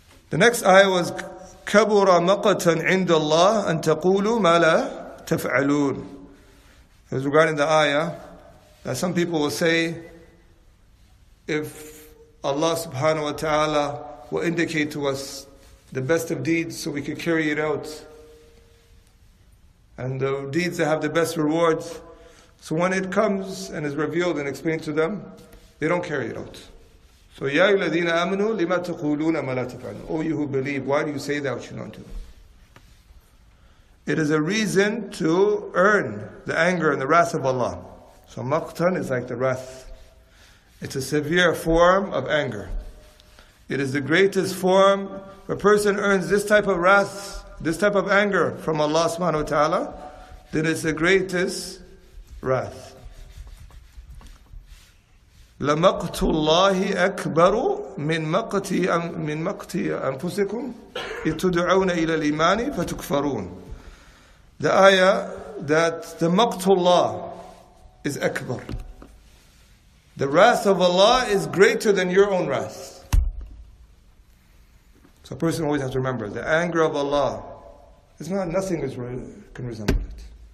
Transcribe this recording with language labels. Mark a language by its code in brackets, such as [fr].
[en] The next ayah was [ar] كبر مقتا عند الله أن تقولوا ما لا تفعلون. [en] It was regarding the ayah that some people will say, if Allah subhanahu wa ta'ala will indicate to us the best of deeds so we can carry it out, and the deeds that have the best rewards, so when it comes and is revealed and explained to them, they don't carry it out. [ar] So يَا الَّذِينَ آمَنُوا لِمَا تَقُولُونَ مَا لَا تَفْعَلُونَ. [en] O you who believe, why do you say that which you don't do? It is a reason to earn the anger and the wrath of Allah. So مَقْتَن is like the wrath. It's a severe form of anger. It is the greatest form. A person earns this type of wrath, this type of anger from Allah subhanahu wa ta'ala, then it's the greatest wrath. [ar] لَمَقْتُ اللَّهِ أَكْبَرُ مِنْ مَقْتِ أَنفُسِكُمْ إِتُدْعَوْنَ إِلَى الْإِيمَانِ فَتُكْفَرُونَ. [en] The ayah that the مَقْتُ اللَّهِ is akbar. The wrath of Allah is greater than your own wrath. So a person always has to remember, the anger of Allah, it's not, nothing is can resemble it.